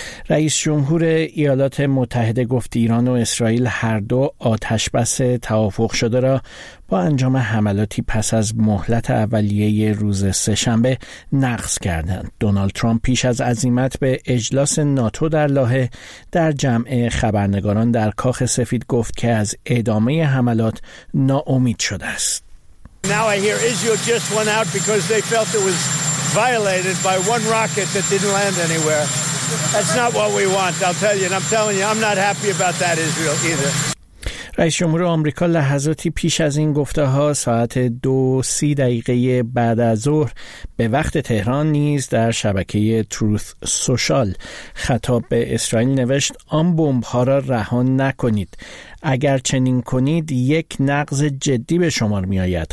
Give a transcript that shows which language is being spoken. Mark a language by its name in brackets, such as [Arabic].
[Persian] رئیس جمهور ایالات متحده گفت ایران و اسرائیل هر دو آتش بس توافق شده را با انجام حملاتی پس از مهلت اولیه روز سه‌شنبه نقض کردند. دونالد ترامپ پیش از عزیمت به اجلاس ناتو در لاهه در جمع خبرنگاران در کاخ سفید گفت که از ادامه حملات ناامید شده است. [English] Now I hear Israel just went out because they felt it was violated by one rocket that didn't land anywhere. That's not what we want. I'm telling you, I'm not happy about that, Israel either. [Persian] رئیس جمهور آمریکا لحظاتی پیش از این گفته ها ساعت 2:30 بعد از ظهر به وقت تهران نیز در شبکه تروث سوشال خطاب به اسرائیل نوشت آن بمب ها را رها نکنید. اگر چنین کنید یک نقض جدی به شمار می آید.